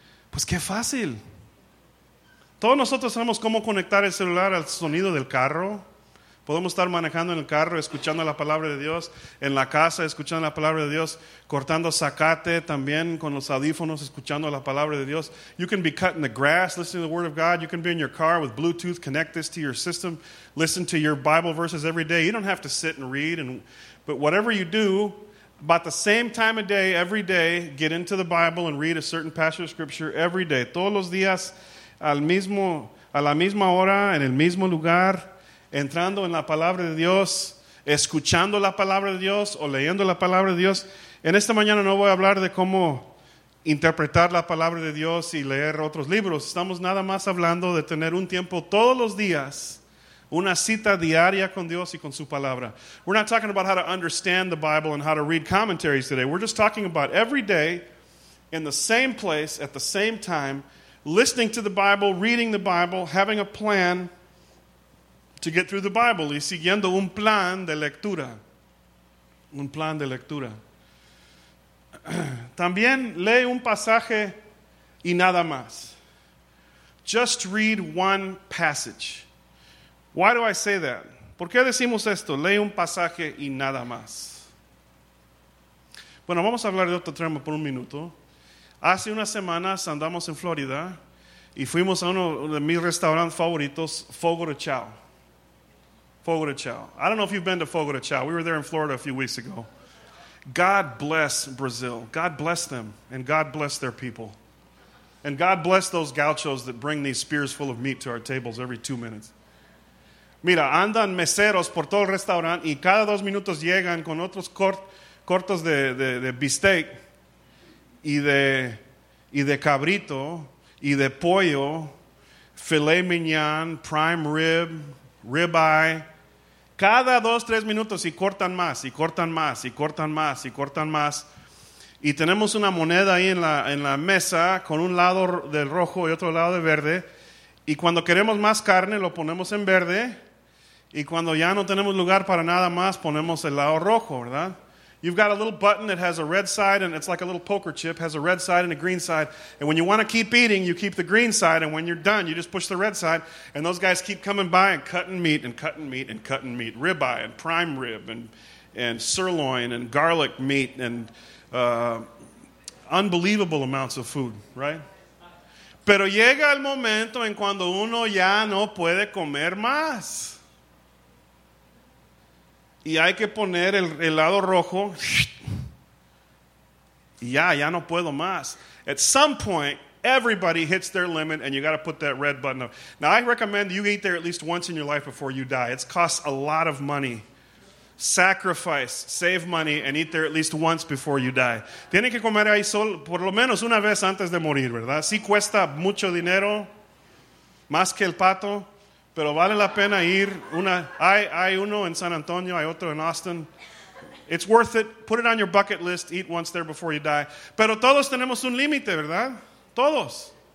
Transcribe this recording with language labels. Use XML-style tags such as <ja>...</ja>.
<es>Pues qué fácil. Todos nosotros sabemos cómo conectar el celular al sonido del carro. Podemos estar manejando en el carro, escuchando la palabra de Dios, en la casa, escuchando la palabra de Dios, cortando zacate también con los audífonos, escuchando la palabra de Dios.</es> <en>You can be cutting the grass, listening to the word of God. You can be in your car with Bluetooth, connect this to your system, listen to your Bible verses every day. You don't have to sit and read. But whatever you do, about the same time of day, every day, get into the Bible and read a certain passage of scripture every day.</en> <es>Todos los días, a la misma hora, en el mismo lugar, entrando en la palabra de Dios, escuchando la palabra de Dios o leyendo la palabra de Dios. En esta mañana no voy a hablar de cómo interpretar la palabra de Dios y leer otros libros. Estamos nada más hablando de tener un tiempo todos los días, una cita diaria con Dios y con su palabra.</es> <en>We're not talking about how to understand the Bible and how to read commentaries today. We're just talking about every day in the same place at the same time, listening to the Bible, reading the Bible, having a plan to get through the Bible,</en> <es>y siguiendo un plan de lectura. Un plan de lectura. También lee un pasaje y nada más.</es> <en>Just read one passage. Why do I say that?</en> <es>¿Por qué decimos esto? Lee un pasaje y nada más. Bueno, vamos a hablar de otro tema por un minuto. Hace unas semanas andamos en Florida y fuimos a uno de mis restaurantes favoritos, Fogo de Chao. Fogo de Chao.</es> <en>I don't know if you've been to Fogo de Chao. We were there in Florida a few weeks ago. God bless Brazil. God bless them. And God bless their people. And God bless those gauchos that bring these spears full of meat to our tables every 2 minutes.</en> <es>Mira, andan meseros por todo el restaurante y cada dos minutos llegan con otros cortos de bistec y de cabrito y de pollo, filet mignon, prime rib, ribeye. Cada dos, tres minutos y cortan más y cortan más y cortan más y cortan más. Y tenemos una moneda ahí en la mesa con un lado del rojo y otro lado de verde. Y cuando queremos más carne lo ponemos en verde. Y cuando ya no tenemos lugar para nada más, ponemos el lado rojo, ¿verdad?</es> <en>You've got a little button that has a red side, and it's like a little poker chip, has a red side and a green side. And when you want to keep eating, you keep the green side, and when you're done, you just push the red side. And those guys keep coming by and cutting meat and cutting meat and cutting meat. Ribeye and prime rib and sirloin and garlic meat and unbelievable amounts of food, right?</en> <es>Pero llega el momento en cuando uno ya no puede comer más. Y hay que poner el lado rojo. Y ya no puedo más.</es> <en>At some point, everybody hits their limit and you got to put that red button up. Now, I recommend you eat there at least once in your life before you die. It costs a lot of money. Sacrifice, save money, and eat there at least once before you die.</en> <es>Tienen que comer ahí solo por lo menos una vez antes de morir, ¿verdad? Sí cuesta mucho dinero, más que el pato. Pero vale la pena ir. Hay uno en San Antonio, hay otro en Austin.</es> <en>It's worth it. Put it on your bucket list. Eat once there before you die.</en> <es>Pero todos tenemos un límite, ¿verdad? Todos.</es>